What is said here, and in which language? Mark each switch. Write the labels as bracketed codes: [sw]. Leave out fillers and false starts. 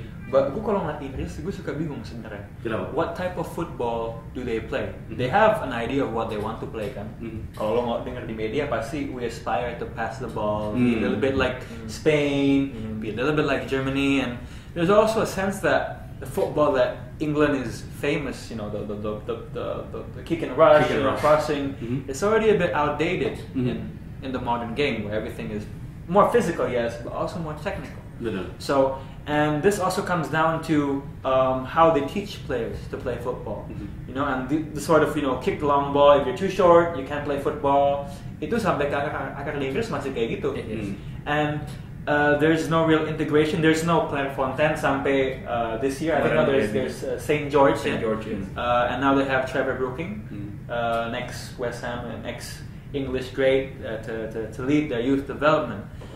[id] Gue kalau ngeliat Inggris, gue suka bingung sebenarnya. Kenapa? [en] What type of football do they play? Mm-hmm. They have an idea of what they want to play kan. Mm-hmm. [id] Kalau lo nggak dengar di media pasti [en] we aspire to pass the ball, be a little bit like Spain, be a little bit like Germany, and there's also a sense that the football that England is famous, you know, the kick and rush, kick and rush. Crossing, it's already a bit outdated in the modern game where everything is more physical, yes, but also more technical. Mm-hmm. So, and this also comes down to how they teach players to play football. Mm-hmm. You know, and the sort of, you know, kick the long ball, if you're too short, you can't play football. [id] Itu sampai ke akar Inggris masih kayak gitu. [en] And there's no real integration, there's no Clairefontaine sampai this year. I think now there's St. George. St. George, yes. And now they have Trevor Brooking, next West Ham, and next English great to lead their youth development.